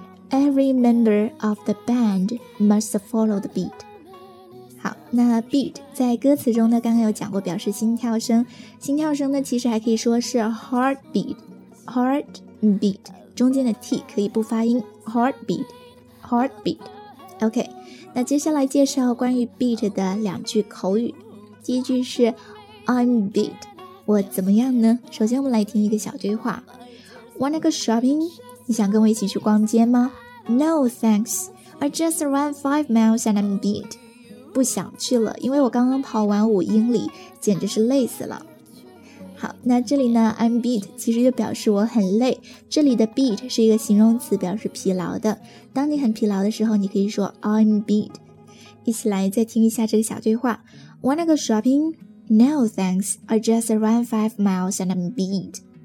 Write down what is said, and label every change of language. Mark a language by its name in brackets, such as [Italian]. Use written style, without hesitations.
[English] Every member of the band must follow the beat. [Chinese] 好，那 beat 在歌词中呢，刚刚有讲过表示心跳声。心跳声呢，其实还可以说是 heartbeat, heartbeat, 中间的 t 可以不发音， heartbeat, heartbeat. OK， 那接下来介绍关于 beat 的两句口语。第一句是 [English] I'm beat， [Chinese] 我怎么样呢？首先我们来听一个小对话。 [English] Wanna go shopping？ [Chinese] 你想跟我一起去逛街吗？ [English] No thanks， I just ran 5 miles and I'm beat。 [Chinese] 不想去了，因为我刚刚跑完5英里，简直是累死了。好，那这里呢 [English] I'm beat [Chinese] 其实就表示我很累，这里的 beat 是一个形容词，表示疲劳的。当你很疲劳的时候，你可以说 [English] I'm beat。 [Chinese] 一起来再听一下这个小对话。 [English] Wanna go shopping? No thanks, I just ran 5 miles and I'm beat。